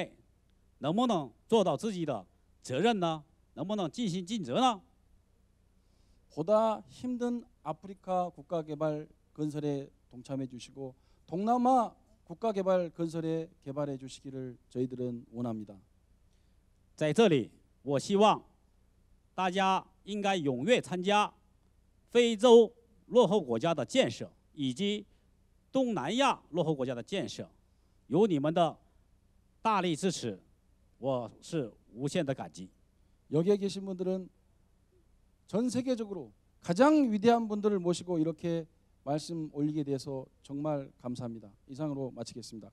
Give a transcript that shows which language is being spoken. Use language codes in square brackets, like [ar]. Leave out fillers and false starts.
[zh] 那么在座的各位，你们以后拿到世界各国的国际机构的这样的资金，为了我们的人类，能不能做到自己的责任呢？能不能尽心尽责呢? [ko] 보다 힘든 아프리카 국가 개발 건설에 동참해 주시고 동남아 국가 개발 건설에 개발해 주시기를 저희들은 원합니다. [zh] 在这里，我希望大家应该踊跃参加非洲落后国家的建设以及东南亚落后国家的建设。有你们的大力支持，我是无限的感激。 [ko] 여기에 계신 분들은 전 세계적으로 가장 위대한 분들을 모시고 이렇게 말씀 올리게 돼서 정말 감사합니다. 이상으로 마치겠습니다.